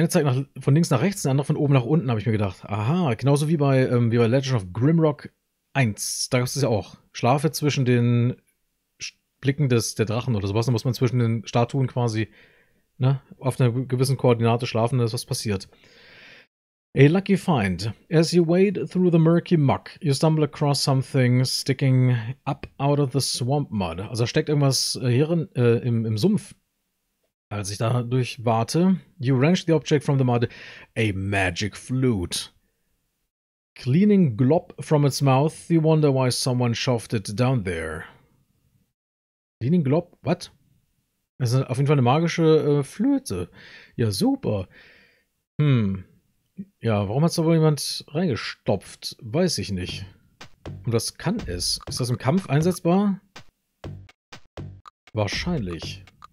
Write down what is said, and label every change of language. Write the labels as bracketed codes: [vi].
[de] Der eine zeigt von links nach rechts, der andere von oben nach unten, habe ich mir gedacht. Aha, genauso wie bei Legend of Grimrock 1. Da gab es das ja auch. Schlafe zwischen den Blicken der Drachen oder sowas. Da muss man zwischen den Statuen quasi, ne, auf einer gewissen Koordinate schlafen, da ist was passiert. [en] A lucky find. As you wade through the murky muck, you stumble across something sticking up out of the swamp mud. [de] Also steckt irgendwas im Sumpf. Als ich da durchwarte, [en] you wrench the object from the mud, a magic flute. Cleaning glop from its mouth, you wonder why someone shoved it down there. Cleaning glop? What? [de] Es ist auf jeden Fall eine magische Flöte. Ja, super. Ja, warum hat es da wohl jemand reingestopft? Weiß ich nicht. Und was kann es? Ist das im Kampf einsetzbar? Wahrscheinlich.